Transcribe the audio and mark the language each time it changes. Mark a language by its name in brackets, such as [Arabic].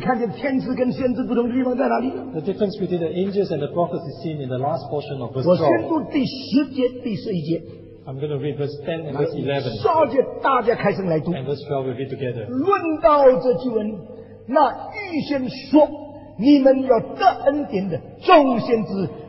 [Chinese] 好，我们大家来最后这一句，一二三，天使也愿意详细查看这件事。你看见天使跟先知不同的地方在哪里？ [English] The difference between the angels and the prophets is seen in the last portion of verse [Chinese] 12。我宣读第十节、第十一节。 [English] I'm going to read verse 10 and verse 11。 [Chinese] 12节大家开声来读。 [English] And verse 12 we read together. [Chinese] 论到这句文，那预先说你们要得恩典的众先知。